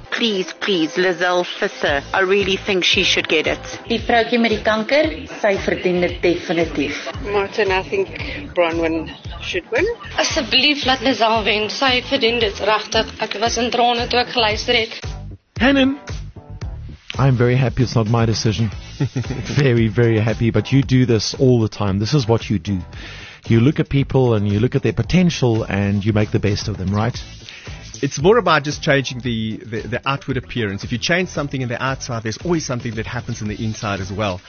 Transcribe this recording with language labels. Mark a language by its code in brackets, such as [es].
[en] please, please, Lizelle Visser, I really think she should get it. [af] Die vroukie met die kanker, sy verdien dit definitief. [en] Martin, I think Bronwyn should win. [af] Asseblief, laat Lizelle wen, sy verdien dit regtig. Ek was in trane toe ek geluister het. [en] Hannon, I'm very happy it's not my decision. Very, very happy, but you do this all the time. This is what you do. You look at people and you look at their potential and you make the best of them, right? It's more about just changing the outward appearance. If you change something in the outside, there's always something that happens in the inside as well.